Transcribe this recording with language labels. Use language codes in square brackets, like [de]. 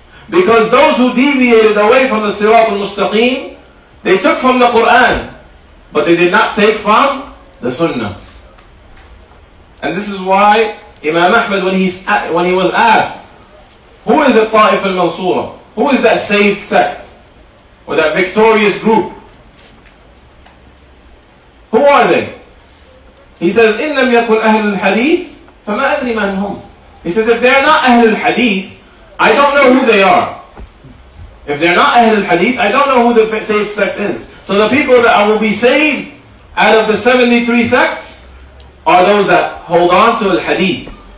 [en] Because those who deviated away from the Sirat al-Mustaqim, they took from the Qur'an, but they did not take from the Sunnah. And this is why Imam Ahmad, when he was asked, Who is the Ta'if al-Mansura? Who is that saved sect? Or that victorious group? Who are they? He says, [ar] إِن لَمْ يَكُنْ أَهْلُ الْحَدِيثِ فَمَا أَدْرِي مَنْ هُمْ. [en] He says, if they're not Ahl al-Hadith, I don't know who they are. If they're not Ahl al-Hadith, I don't know who the saved sect is. So the people that will be saved out of the 73 sects are those that hold on to al-Hadith.